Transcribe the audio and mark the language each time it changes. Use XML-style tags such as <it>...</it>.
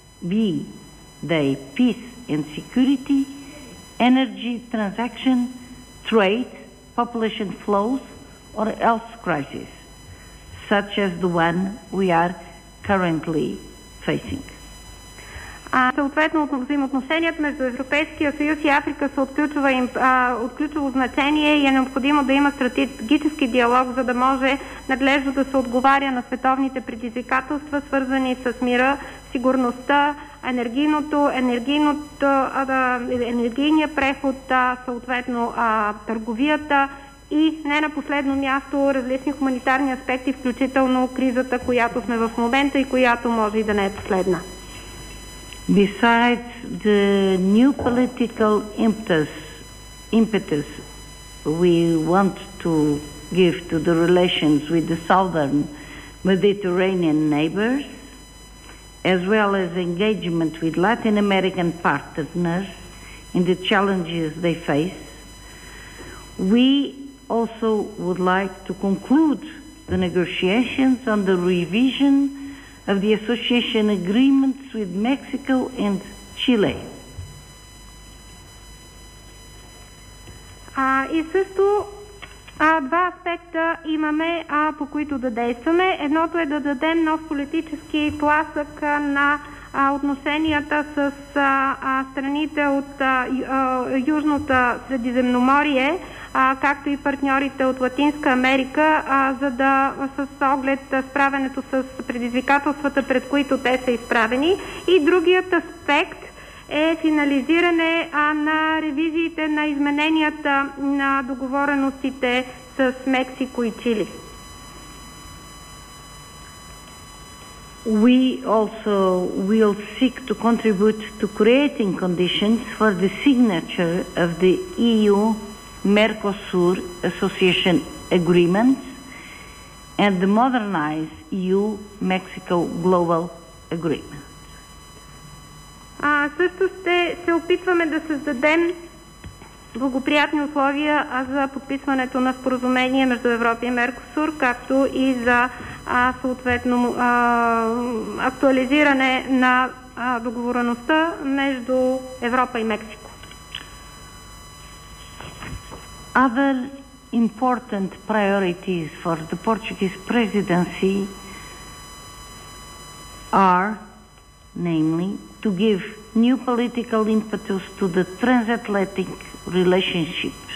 <en>be they peace and security, energy transaction, trade, population flows, or health crises, such as the one we are currently facing.</en> <bg>Съответно, взаимоотношенията между Европейския съюз и Африка са от ключово значение и е необходимо да има стратегически диалог, за да може надлежно да се отговаря на световните предизвикателства, свързани с мира, сигурността, енергийния преход, съответно търговията и не на последно място различни хуманитарни аспекти, включително кризата, която сме в момента и която може и да не е последна.</bg> <en>Besides the new political impetus we want to give to the relations with the southern Mediterranean neighbors, as well as engagement with Latin American partners in the challenges they face, we also would like to conclude the negotiations on the revision of the association agreements with Mexico and Chile.</en> <bg>И също два аспекта имаме, по които да действаме. Едното е да дадем нов политически тласък на отношенията с страните от Южното Средиземноморие, както и партньорите от Латинска Америка, за да с оглед справянето с предизвикателствата, пред които те са изправени. И другият аспект е финализиране на ревизиите на измененията на договореностите с Мексико и Чили.</bg> <en>We also will seek to contribute to creating conditions for the signature of the EU-Mercosur Association Agreements and the modernized EU-Mexico Global Agreement.</en> <bg>Също се опитваме да създадем благоприятни условия за подписването на споразумение между Европа и Меркосур, както и за съответно актуализиране на договореността между Европа и Мексико.</bg> <en>Other important priorities for the Portuguese presidency are, namely, to give new political impetus to the transatlantic relationship.</en>